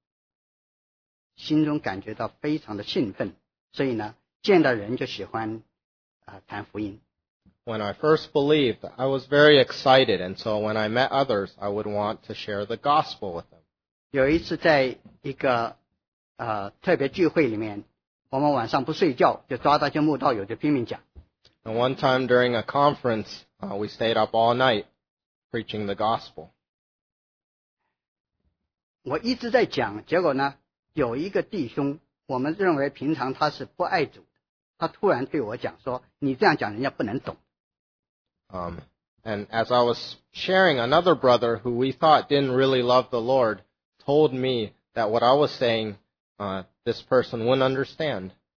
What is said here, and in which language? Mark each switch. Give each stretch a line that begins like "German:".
Chinese: 我初信主的时候，因为信主非常的，心中感觉到非常的兴奋。所以呢，见到人就喜欢谈福音。
English: When I first believed, I was very excited, and so when I met others, I would want to share the gospel with them.
Chinese: 有一次在一个特别聚会里面，我们晚上不睡觉，就抓到这慕道友就拼命讲。
English: And one time during a conference, we stayed up all night preaching the gospel.
Chinese: 我一直在讲，结果呢，有一个弟兄。我们认为平常他是不爱主的，他突然对我讲说：“你这样讲，人家不能懂。”
English: And as I was sharing, another brother who we thought didn't really love the Lord told me that what I was saying, this person wouldn't understand.